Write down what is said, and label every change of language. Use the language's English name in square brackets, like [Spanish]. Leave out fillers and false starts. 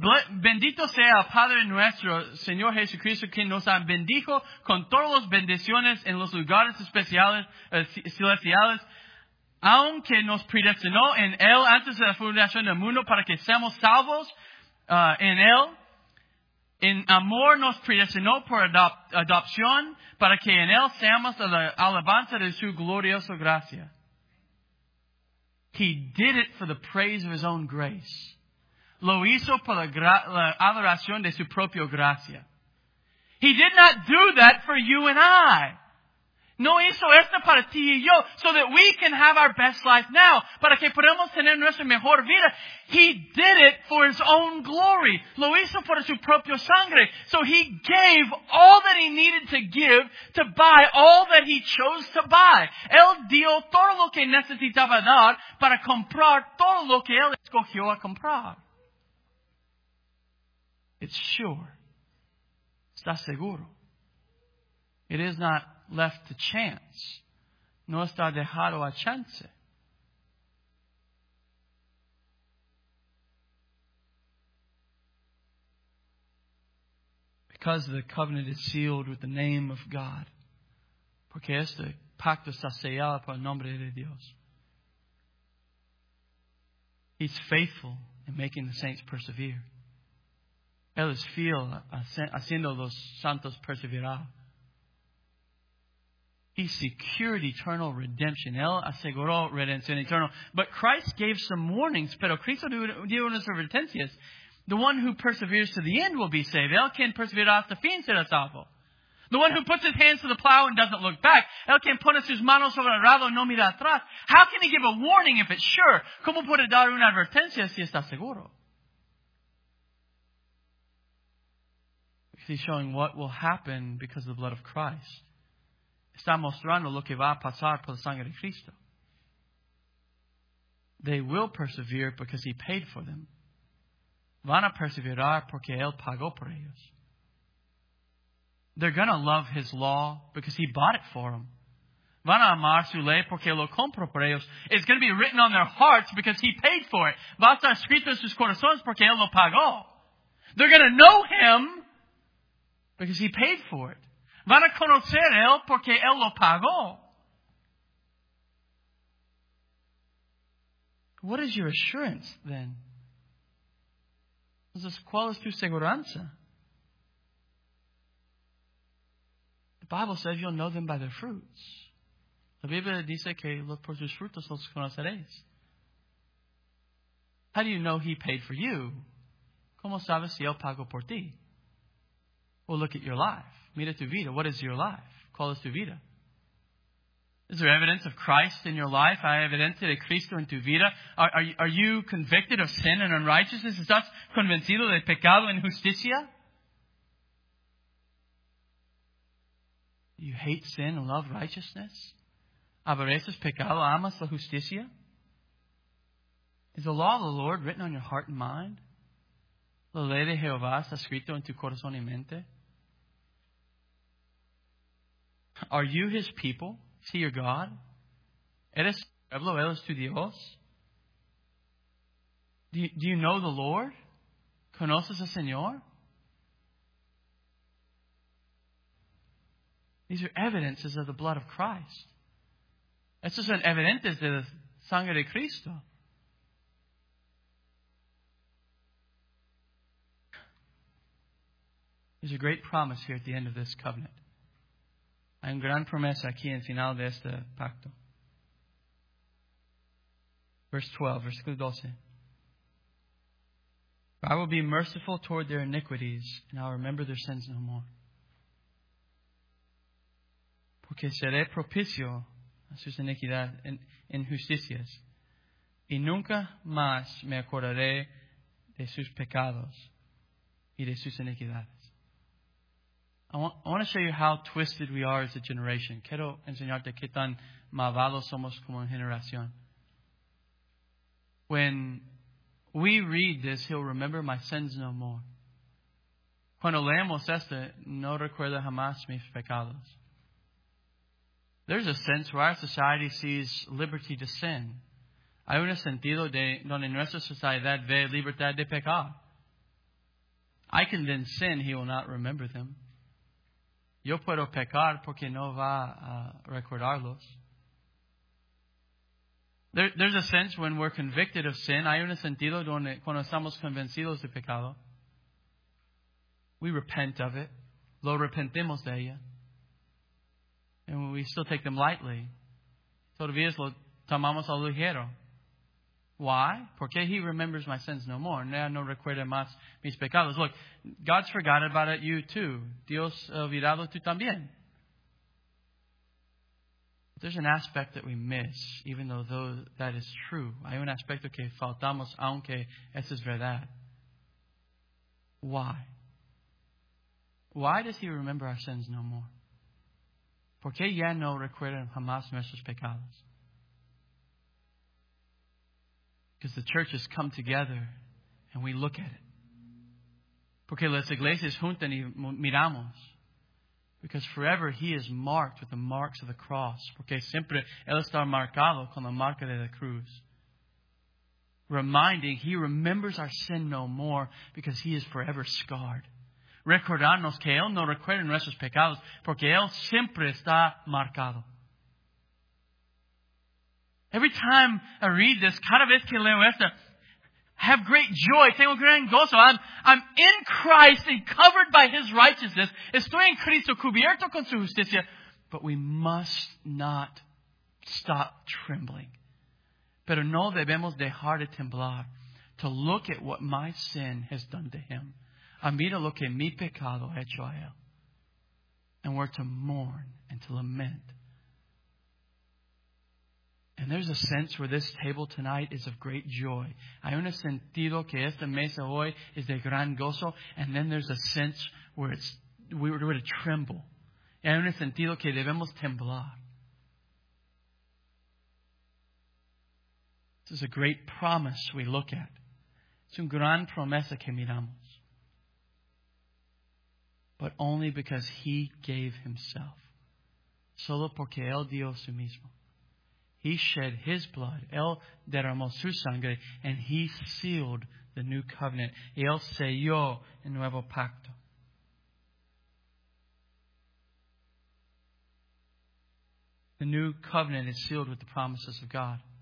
[Spanish] Bendito sea el Padre nuestro, Señor Jesucristo, quien nos ha bendijo con todas las bendiciones en los lugares especiales, celestiales, aunque nos predestinó en Él antes de la fundación del mundo para que seamos salvos en Él. En amor nos predestinó por adopción para que en Él seamos la alabanza de su gloriosa gracia. [English] He did it for the praise of His own grace. [Spanish] Lo hizo por la adoración de su propia gracia. [English] He did not do that for you and I. [Spanish] No hizo esto para ti y yo, [English] so that we can have our best life now, [Spanish] para que podamos tener nuestra mejor vida. [English] He did it for His own glory. [Spanish] Lo hizo por su propio sangre. [English] So He gave all that He needed to give to buy all that He chose to buy. [Spanish] Él dio todo lo que necesitaba dar para comprar todo lo que Él escogió a comprar. [English] It's sure. [Spanish] Está seguro. [English] It is not left to chance. [Spanish] No está dejado a chance. [English] Because the covenant is sealed with the name of God. [Spanish] Porque este pacto está sellado por el nombre de Dios. [English] He's faithful in making the saints persevere. [Spanish] Él es fiel haciendo los santos perseverar. [English] He secured eternal redemption. [Spanish] Él aseguró redención eterna. [English] But Christ gave some warnings. [Spanish] Pero Cristo dio unas advertencias. [English] The one who perseveres to the end will be saved. [Spanish] Él quien perseverará hasta fin será salvo. [English] The one who puts his hands to the plow and doesn't look back. [Spanish] El quien pone sus manos sobre el arado y no mira atrás. [English] How can he give a warning if it's sure? [Spanish] ¿Cómo puede dar una advertencia si está seguro? [English] Because he's showing what will happen because of the blood of Christ. [Spanish] Está mostrando lo que va a pasar por la sangre de Cristo. [English] They will persevere because he paid for them. [Spanish] Van a perseverar porque él pagó por ellos. [English] They're going to love his law because he bought it for them. [Spanish] Van a amar su ley porque lo compró por ellos. [English] It's going to be written on their hearts because he paid for it. [Spanish] Va a estar escrito en sus corazones porque él lo pagó. [English] They're going to know him because he paid for it. [Spanish] Van a conocer él porque él lo pagó. [English] What is your assurance then? [Spanish] ¿Cuál es tu seguranza? [English] The Bible says you'll know them by their fruits. [Spanish] La Biblia dice que los por sus frutos los conoceréis. [English] How do you know he paid for you? [Spanish] ¿Cómo sabes si él pagó por ti? [English] Well, look at your life. [Spanish] Mira tu vida. [English] What is your life? [Spanish] ¿Cuál es tu vida? [English] Is there evidence of Christ in your life? [Spanish] ¿Hay evidencia de Cristo en tu vida? [English] Are you convicted of sin and unrighteousness? [Spanish] ¿Estás convencido de pecado e injusticia? [English] You hate sin and love righteousness? [Spanish] ¿Aborreces pecado, amas la justicia? [English] Is the law of the Lord written on your heart and mind? [Spanish] ¿La ley de Jehová está escrito en tu corazón y mente? [English] Are you his people? Is he your God? [Spanish] ¿Eres pueblo? ¿Él es tu Dios? [English] Do you know the Lord? [Spanish] ¿Conoces al Señor? [English] These are evidences of the blood of Christ. [Spanish] Estos son evidentes de la sangre de Cristo. [English] There's a great promise here at the end of this covenant. [Spanish] Hay una gran promesa aquí en el final de este pacto. [English] Verse 12. I will be merciful toward their iniquities, and I'll remember their sins no more. [Spanish] Porque seré propicio a sus iniquidades e injusticias, y nunca más me acordaré de sus pecados y de sus iniquidades. [English] I want to show you how twisted we are as a generation. [Spanish] Quiero enseñarte qué tan malvados somos como generación. [English] When we read this, he'll remember my sins no more. [Spanish] Cuando leemos esto, no recuerda jamás mis pecados. [English] There's a sense where our society sees liberty to sin. [Spanish] Hay un sentido de donde nuestra sociedad ve libertad de pecar. [English] I can then sin, he will not remember them. [Spanish] Yo puedo pecar porque no va a recordarlos. [English] There's a sense when we're convicted of sin. [Spanish] Hay un sentido donde cuando estamos convencidos de pecado, [English] we repent of it. [Spanish] Lo arrepentimos de ella. [English] And we still take them lightly. [Spanish] Todavía lo tomamos a ligero. [English] Why? Porque he remembers my sins no more. [Spanish] Ya no recuerda más mis pecados. [English] Look, God's forgotten about it, you too. [Spanish] Dios ha olvidado tú también. [English] But there's an aspect that we miss, even though that is true. [Spanish] Hay un aspecto que faltamos, aunque eso es verdad. [English] Why? Why does he remember our sins no more? [Spanish] ¿Por qué ya no recuerdan jamás nuestros pecados? [English] Because the church has come together and we look at it. [Spanish] Porque las iglesias juntan y miramos. [English] Because forever he is marked with the marks of the cross. [Spanish] Porque siempre él está marcado con la marca de la cruz. [English] Reminding, he remembers our sin no more because he is forever scarred. [Spanish] Recordarnos que Él no recuerda nuestros pecados porque Él siempre está marcado. [English] Every time I read this, [Spanish] cada vez que leo esto, [English] have great joy. [Spanish] Tengo gran gozo. [English] I'm in Christ and covered by His righteousness. [Spanish] Estoy en Cristo cubierto con su justicia. [English] But we must not stop trembling. [Spanish] Pero no debemos dejar de temblar [English] to look at what my sin has done to Him. [Spanish] Mira lo que mi pecado ha hecho a él. [English] and we're to mourn and to lament. And there's a sense where this table tonight is of great joy. [Spanish] Hay un sentido que esta mesa hoy es de gran gozo. [English] And then there's a sense where it's we're to tremble. [Spanish] Hay un sentido que debemos temblar. [English] This is a great promise we look at. [Spanish] Es una gran promesa que miramos. [English] But only because He gave Himself. [Spanish] Solo porque Él dio su mismo. [English] He shed His blood. [Spanish] Él derramó su sangre. [English] And He sealed the new covenant. [Spanish] Y Él selló el nuevo pacto. [English] The new covenant is sealed with the promises of God.